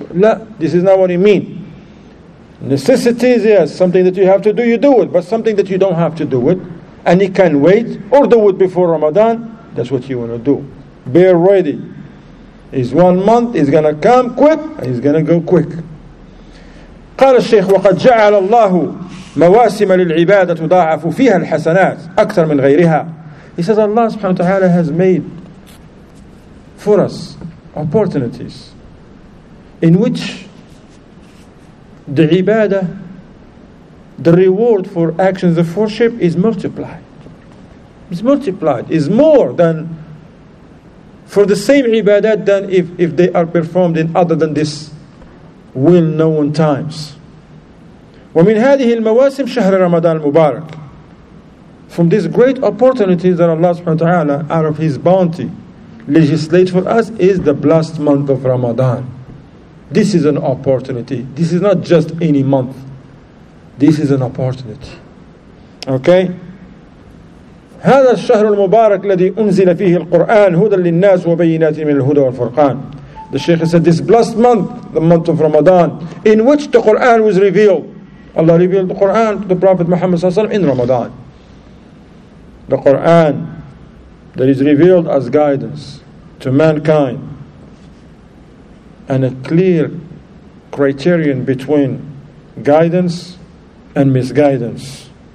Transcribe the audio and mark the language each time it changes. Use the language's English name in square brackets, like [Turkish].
[English] No, this is not what it means. Necessities, yes. Something that you have to do, you do it. But something that you don't have to do it, and you can wait, or do it before Ramadan, that's what you want to do. Be ready. Is 1 month, he's gonna come quick, and he's gonna go quick. [Arabic] قال الشيخ وقد جعل الله مواسم للعبادة تضاعف فيها الحسنات أكثر من غيرها. [English] He says Allah subhanahu wa ta'ala has made for us opportunities in which the ibadah, the reward for actions of worship is multiplied. It's multiplied, is more than for the same ibadah than if they are performed in other than this well-known times. [Arabic] وَمِنْ هَذِهِ الْمَوَاسِمِ شَهْرِ رَمَضَانِ الْمُبَارَكِ. [English] From this great opportunity that Allah subhanahu wa ta'ala, out of His bounty, legislate for us, is the blessed month of Ramadan. This is an opportunity. This is not just any month. This is an opportunity. Okay? [Arabic] هذا الشهر المبارك الذي أنزل فيه القرآن هدى للناس وبينات من الهدى والفرقان. [English] The Sheikh said, this blessed month, the month of Ramadan, in which the Quran was revealed. Allah revealed the Quran to the Prophet Muhammad SAW in Ramadan. The Quran that is revealed as guidance to mankind, and a clear criterion between guidance and misguidance.